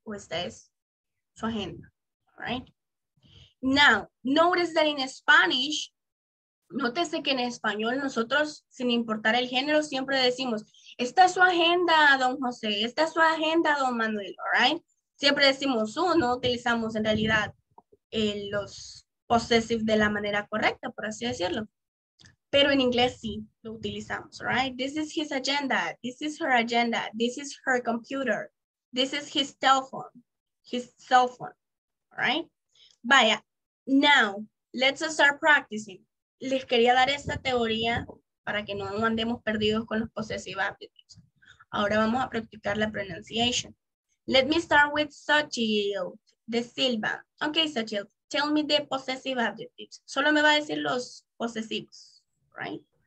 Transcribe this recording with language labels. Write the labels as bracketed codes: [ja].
[es] O esta es su agenda. All right? [en] Now, notice that in Spanish, [es] nótese que en español nosotros, sin importar el género, siempre decimos, esta es su agenda, don José, esta es su agenda, don Manuel, all right? Siempre decimos no utilizamos en realidad los possessive de la manera correcta, por así decirlo. Pero en inglés sí, lo utilizamos, all right? [en] This is his agenda, this is her computer, this is his cell phone, all right? Vaya, now, let's start practicing. [es] Les quería dar esta teoría para que no andemos perdidos con los possessive adjectives. Ahora vamos a practicar la pronunciation. [en] Let me start with Sochil de Silva. Okay, Sochil, tell me the possessive adjectives. [es] Solo me va a decir los posesivos, right?